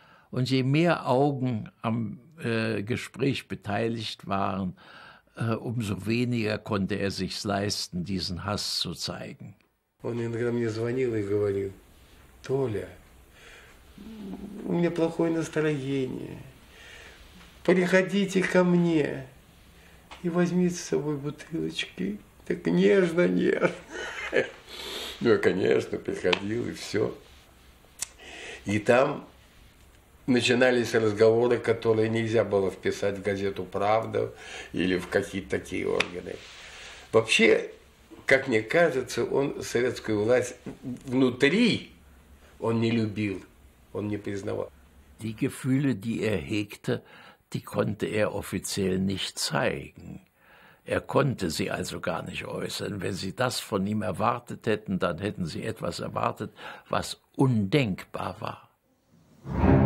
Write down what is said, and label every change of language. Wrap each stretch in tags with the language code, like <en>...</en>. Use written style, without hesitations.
<de>Und je mehr Augen am Gespräch beteiligt waren, umso weniger konnte er sich leisten, diesen Hass zu zeigen.</de> <ru>Он иногда мне звонил и говорил: Толя, у меня плохое настроение. Приходите ко мне и возьмите с собой бутылочки. Так нежно, нежно. Ну, конечно, приходил, и все. И там начинались разговоры, которые нельзя было вписать в газету «Правда» или в какие-то такие органы. Вообще, как мне кажется, он советскую власть внутри он не любил, он не признавал.</ru> <de>Die Gefühle, die er hegte, die konnte er offiziell nicht zeigen. Er konnte sie also gar nicht äußern. Wenn sie das von ihm erwartet hätten, dann hätten sie etwas erwartet, was undenkbar war.</de>